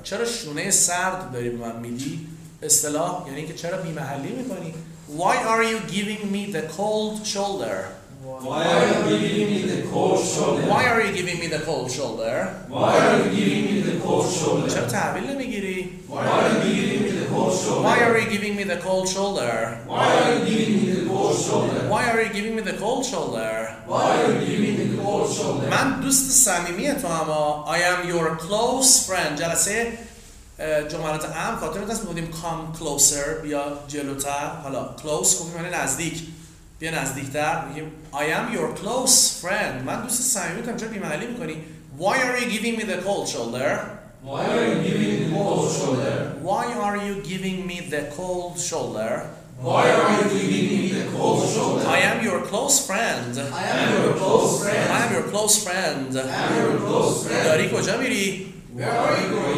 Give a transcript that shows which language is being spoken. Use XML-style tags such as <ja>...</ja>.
<fa>چرا شونه سرد داری به من میدی؟ اصطلاح یعنی که چرا بی محلی میکنی؟</fa> <en>Why are you giving me the cold shoulder? Why are you giving me the cold shoulder?</en> <fa>چرا تحویل نمیگیری؟</fa> <en>Why are you giving me the cold shoulder? shoulder? Why are you giving me the cold shoulder? Why are you giving me the cold shoulder? Why are you giving me the cold shoulder? Why are you giving me the cold shoulder?</en> <fa>من دوست صمیمی تو اما</fa> <en>I am your close friend.</en> <fa>جلسه جملات عام خاطر دست بودیم</fa> <en>come closer</en> <fa>بیا جلوتر حالا close کنیم یعنی نزدیک بیا نزدیکتر میگیم</fa> <en>I am your close friend</en> <fa>من دوست صمیمی تو چرا بی‌معنی می‌کنی</fa> <en>Why are you giving me the cold shoulder? Why are you giving me the cold shoulder? Why are you giving me the cold shoulder? Why are you giving me the cold shoulder? I am your close friend. I am your close friend. I am your close friend. I am your close friend.</en> <fa>داری کجا میری؟</fa> <en>Where are you going?</en>